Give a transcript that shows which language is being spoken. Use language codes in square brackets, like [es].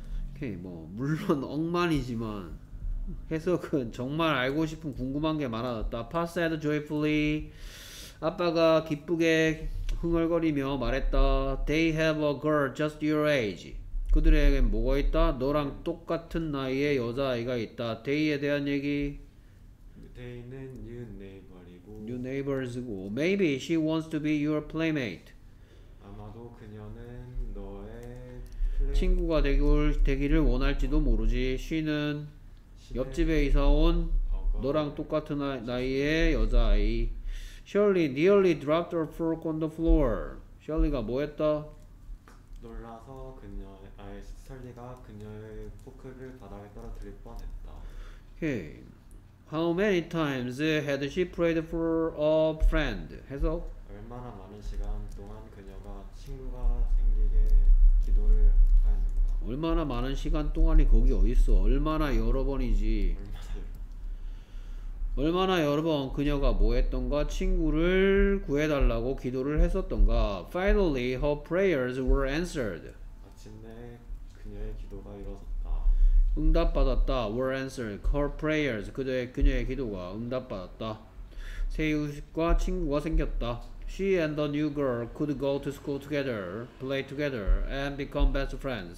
[ko] 오케이, 뭐 물론 억만이지만 해석은 정말 알고 싶은 궁금한 게 많아졌다. [en] Pa said joyfully. [ko] 아빠가 기쁘게 흥얼거리며 말했다. [en] They have a girl just your age. [ko] 그들에겐 뭐가 있다? 너랑 똑같은 나이의 여자아이가 있다. 데이에 대한 얘기. 데이는 [en] new neighbor이고 [ko] new neighbors고 [en] maybe she wants to be your playmate. [ko] 아마도 그녀는 너의 친구가 되기를 원할지도 모르지. 시는 옆집에 이사 온 어, 너랑 똑같은 나이의 여자아이. [en] Shirley nearly dropped her fork on the floor. [ko] Shirley가 뭐 했다? 놀라서 Shirley가 그녀의 포크를 바닥에 떨어뜨릴 뻔했다. [en] Okay. How many times had she prayed for a friend? [ko] 해석? 얼마나 많은 시간 동안 그녀가 친구가 생기게 기도를 하였는가? 얼마나 많은 시간 동안이 거기 어딨어? 얼마나 여러 번이지? 얼마나 여러 번 그녀가 뭐 했던가? 친구를 구해달라고 기도를 했었던가? [en] Finally, her prayers were answered. [ko] 마침내 그녀의 기도가 이루어졌다. 응답받았다. [en] Were answered. Her prayers. [ko] 그녀의 기도가 응답받았다. 새 이웃과 친구가 생겼다. [en] She and the new girl could go to school together, play together, and become best friends.